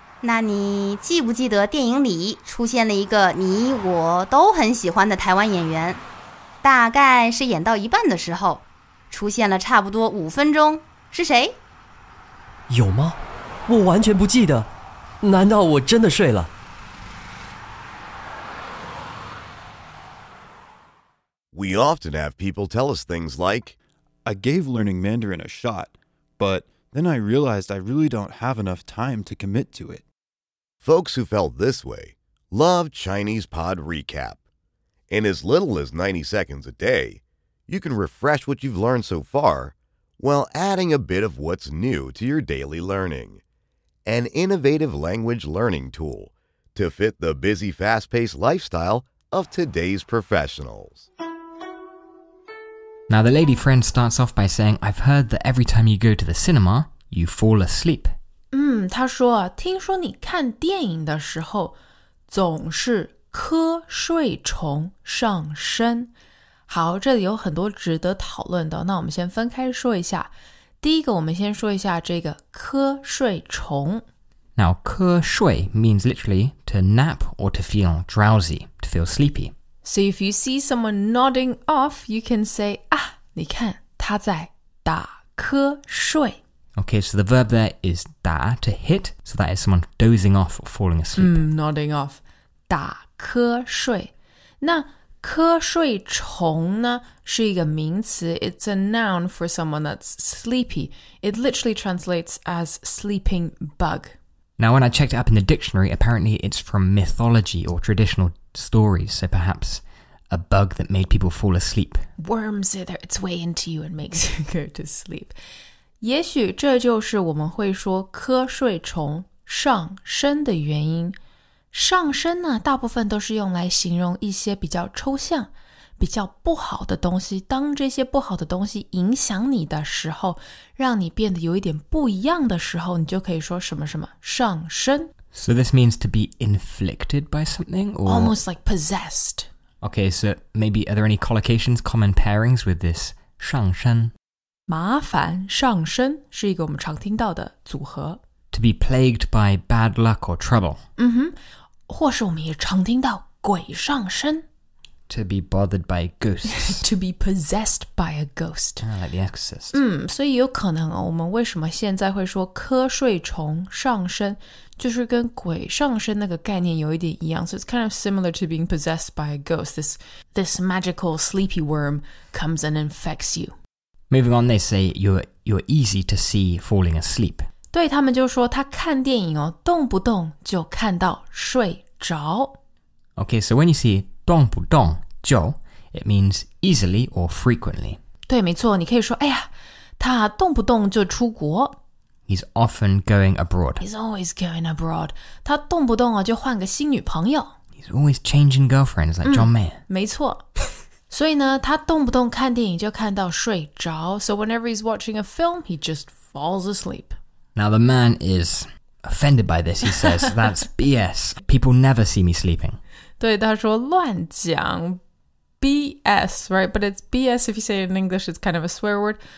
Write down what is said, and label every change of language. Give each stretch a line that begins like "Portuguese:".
Chinese: 那你记不记得电影里出现了一个你我都很喜欢的台湾演员，大概是演到一半的时候，出现了差不多5分钟，是谁？有吗？我完全不记得，难道我真的睡了？
English: We often have people tell us things like, I gave learning Mandarin a shot, but then I realized I really don't have enough time to commit to it. Folks who felt this way love Chinese Pod Recap. In as little as 90 seconds a day, you can refresh what you've learned so far while adding a bit of what's new to your daily learning. An innovative language learning tool to fit the busy, fast-paced lifestyle of today's professionals. Now the lady friend starts off by saying, I've heard that every time you go to the cinema, you fall asleep.
Chinese: 她说听说你看电影的时候总是瞌睡虫上身。好，这里有很多值得讨论的，那我们先分开说一下。第一个，我们先说一下这个瞌睡虫。
English: Now, 瞌睡 means literally to nap or to feel drowsy, to feel sleepy. So if you see someone nodding off, you can say,
Chinese: 你看他在打瞌睡。
English: Okay, so the verb there is 打, to hit, so that is someone dozing off or falling asleep. Nodding off,
Chinese: 打瞌睡。那瞌睡虫呢是一个名词
English: ,it's a noun for someone that's sleepy. It literally translates as sleeping bug. Now when I checked it up in the dictionary, apparently it's from mythology or traditional stories, so perhaps a bug that made people fall asleep. Worms it its way into you and makes you go to sleep.
Chinese: 也许这就是我们会说瞌睡虫上身的原因。上身呢，大部分都是用来形容一些比较抽象、比较不好的东西。当这些不好的东西影响你的时候，让你变得有一点不一样的时候，你就可以说什么什么上身。
English: So this means to be inflicted by something? Or... Almost like possessed. Okay, so maybe are there any collocations, common pairings with this 上身?
Chinese: 麻烦上身是一个我们常听到的组合。
English: To be plagued by bad luck or trouble.
Chinese: 或是我们也常听到鬼上身。
English: To be bothered by ghosts. To be possessed by a ghost. Like the Exorcist.
Chinese: 所以有可能我们为什么现在会说瞌睡虫上身就是跟鬼上身那个概念有一点一样。
English: So it's kind of similar to being possessed by a ghost. This magical sleepy worm comes and infects you. Moving on, they say you're easy to see falling asleep.
Chinese: 对，他们就说他看电影哦，动不动就看到睡着。
English: Okay, so when you see 动不动就, it means easily or frequently.
Chinese: 对，没错，你可以说哎呀，他动不动就出国。
English: He's often going abroad. He's always going abroad.
Chinese: 他动不动啊就换个新女朋友。
English: He's always changing girlfriends like John Mayer.
Chinese: 没错。所以呢，他动不动看电影就看到睡着。
English: So whenever he's watching a film, he just falls asleep. Now the man is offended by this. He says, that's BS. People never see me sleeping.
Chinese: 对，他说乱讲。
English: BS, right? But it's BS if you say it in English, it's kind of a swear word.